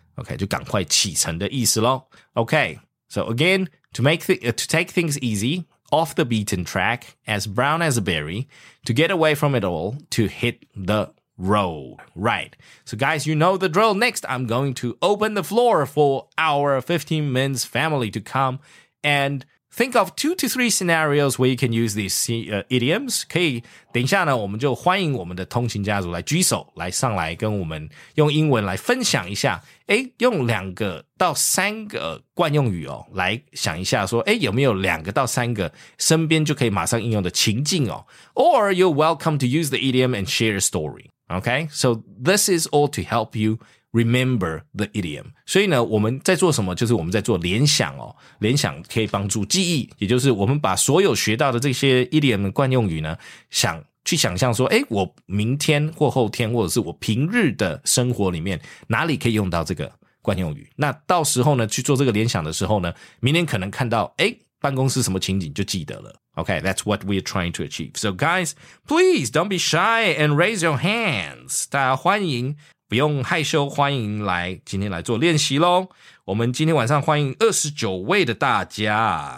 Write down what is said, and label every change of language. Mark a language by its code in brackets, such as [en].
[en] Okay, [zh] 就赶快启程的意思咯。 [en] Okay, so again, to take things easy, off the beaten track, as brown as a berry, to get away from it all, to hit the road. Right, so guys, you know the drill. Next, I'm going to open the floor for our 15 men's family to come andThink of 2 to 3 scenarios where you can use these idioms. [zh] 可以等一下呢，我们就欢迎我们的通勤家族来举手，来上来跟我们用英文来分享一下。哎，用2到3个惯用语哦，来想一下说，哎，有没有2到3个身边就可以马上应用的情境哦 ？ [en] Or you're welcome to use the idiom and share a story. Okay, so this is all to help you remember the idiom. [zh] 所以呢我们在做什么，就是我们在做联想哦。联想可以帮助记忆，也就是我们把所有学到的这些 idiom 的惯用语呢，想去想象说，诶，我明天或后天或者是我平日的生活里面哪里可以用到这个惯用语。那到时候呢去做这个联想的时候呢，明天可能看到，诶，办公室什么情景就记得了。 [en] Okay, that's what we're trying to achieve. So guys, please don't be shy and raise your hands. [zh] 大家欢迎，不用害羞，欢迎来今天来做练习咯。我们今天晚上欢迎29位的大家。